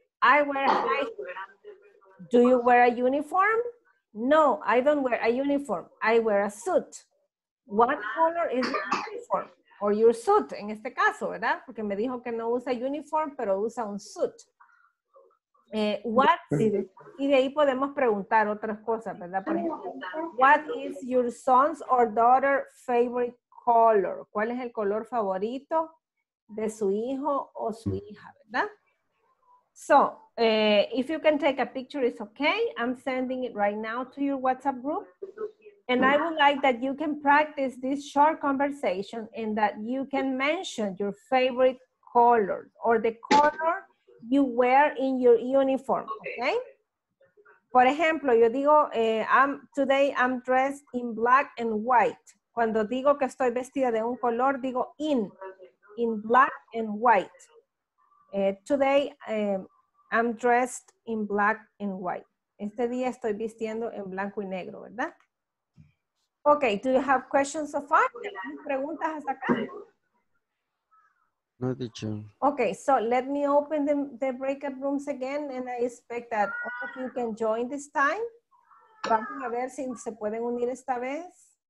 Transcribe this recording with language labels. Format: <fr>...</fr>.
<en>I wear high heels. Do you wear a uniform? No, I don't wear a uniform. I wear a suit. What color is your uniform or your suit?</en> <es>En este caso, ¿verdad? Porque me dijo que no usa uniform, pero usa un suit. What, y de ahí podemos preguntar otras cosas, ¿verdad? Por ejemplo,</es> <en>what is your son's or daughter's favorite color?</en> <es>¿Cuál es el color favorito de su hijo o su hija, verdad?</es> <en>So, if you can take a picture, it's okay. I'm sending it right now to your WhatsApp group. And I would like that you can practice this short conversation and that you can mention your favorite color or the color you wear in your uniform, okay?</en> <es>Por ejemplo, yo digo,</es> <en>today I'm dressed in black and white.</en> <es>Cuando digo que estoy vestida de un color, digo</es> <en>in black and white. Today I'm dressed in black and white.</en> <es>Este día estoy vistiendo en blanco y negro, ¿verdad?</es> <en>Okay, do you have questions so far?</en> <es>¿Preguntas hasta acá?</es> <en>No, teacher. Okay, so let me open the breakout rooms again, and I expect that all of you can join this time.</en> <es>Vamos a ver si se pueden unir esta vez.</es>